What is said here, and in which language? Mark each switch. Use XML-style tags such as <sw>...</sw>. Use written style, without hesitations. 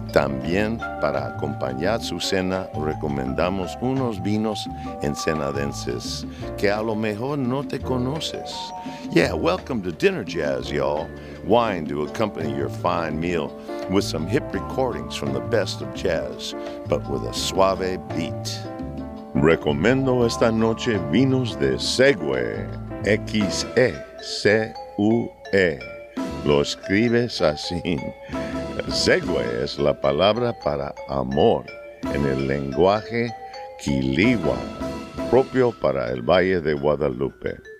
<es>También para acompañar su cena recomendamos unos vinos ensenadenses que a lo mejor no te conoces.</es> <en>Yeah, welcome to Dinner Jazz, y'all. Wine to accompany your fine meal with some hip recordings from the best of jazz, but with a suave beat.</en> <es>Recomiendo esta noche vinos de Segue. X-E-C-U-E. Lo escribes así. Segue es la palabra para amor en el lenguaje Quiligua, propio para el Valle de Guadalupe.</es>